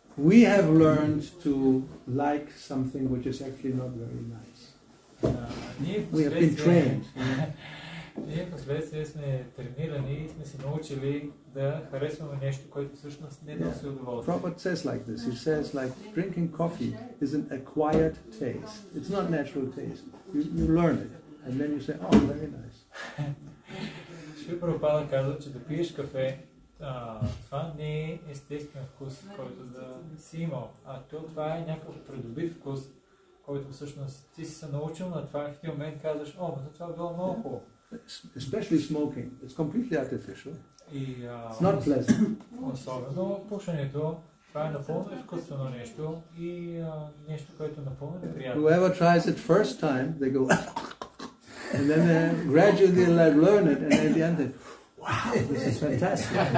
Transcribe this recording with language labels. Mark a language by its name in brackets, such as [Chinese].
[English] We have learned to like something which is actually not very nice. We have been trained. [Bulgarian] Ние последствие сме тренирани и сме се научили да харесваме нещо, което всъщност не носи удоволствие. [English] Prabhupada says like this. He says like drinking coffee is an acquired taste. It's not natural taste. You learn it. And then you say, oh, very nice. [Bulgarian] Шри Прабхупада казва, че да пиеш кафе, това не е естествен вкус, който да си имал, а това е някакъв придобит вкус, който всъщност ти си се научил на това и в тия момент казваш, о, но това е било много хубаво. [English] Especially smoking. It's completely artificial. It's not pleasant. [Bulgarian] Особено пушенето. Това е напълно изкуствено нещо и нещо, което е напълно неприятно. [English] Whoever tries it first time, they go... And then they gradually like learn it, and at the end they, wow, this is fantastic.